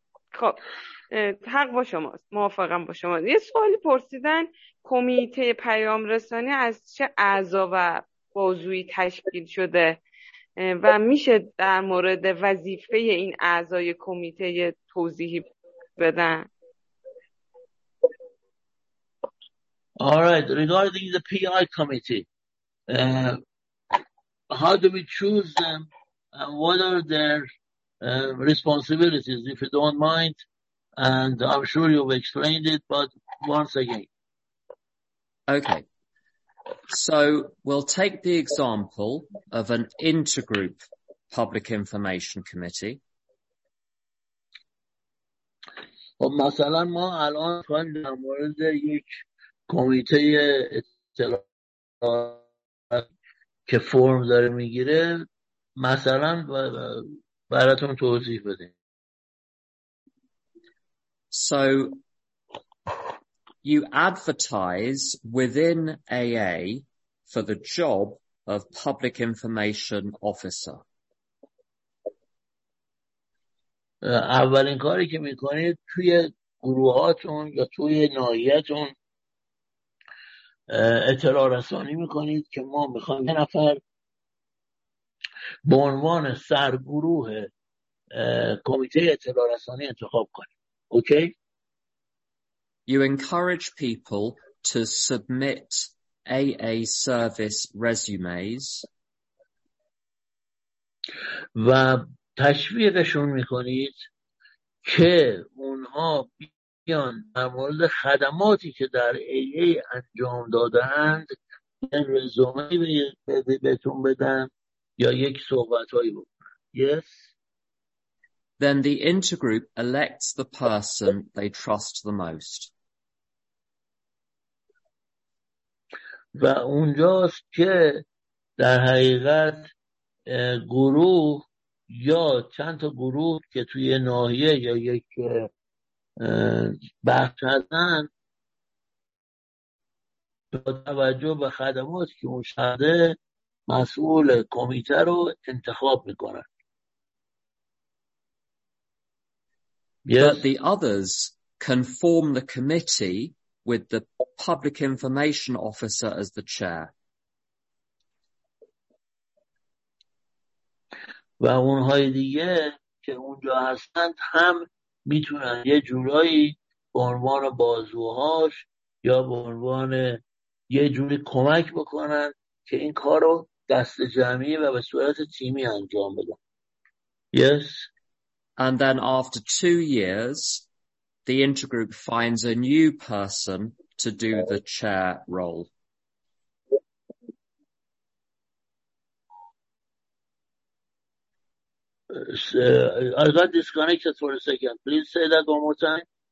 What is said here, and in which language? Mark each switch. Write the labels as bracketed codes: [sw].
[fa] خب حق با شماست موافقم با شما یه سوالی پرسیدن کمیته پیام رسانی از چه اعضا و بازوی تشکیل شده و میشه در مورد وظیفه این اعضای کمیته توضیحی بدن [en] Alright, regarding the PI committee how do we choose them and what are their responsibilities if you don't mind and I'm sure you've explained it but once again Okay So we'll take the example of an intergroup public information committee. [fa] خب مثلا ما الان خواهیم در مورد یک کمیته اطلاعات که فرم داره میگیره مثلا براتون توضیح بدیم. [en] So you advertise within AA for the job of public information officer. [fa] اولین کاری که میکنید توی گروهاتون یا توی ناحیتون اطلاع رسانی میکنید که ما میخوایم یه نفر به عنوان سرگروه کمیته اطلاع رسانی انتخاب کنیم. اوکی؟ [en] You encourage people to submit AA service resumes. [fa] و تشویقشون میکنید که اونها بیان در مورد خدماتی که در AA انجام دادند رزومه بهتون بدن یا یک صحبتهایی بکنن. [en] Yes. Then the intergroup elects the person they trust the most. [fa] و اونجاست که در حقیقت گروه یا چند تا گروه که توی ناحیه یا یک بخش هستن با توجه به خدمات که اون شده مسئول کمیته رو انتخاب میکنن. [en] But the others can form the committee with the public information officer as the chair. [fa] و اونهای دیگه که اونجا هستند هم میتونن یه جورایی به عنوان بازوهاش یا به عنوان یه جوری کمک بکنن که این کار رو دست جمعی و به صورت تیمی انجام بدن. [en] Yes. And then after 2 years, the intergroup finds a new person to do the chair role. I got disconnected for a second. Please say that one more time.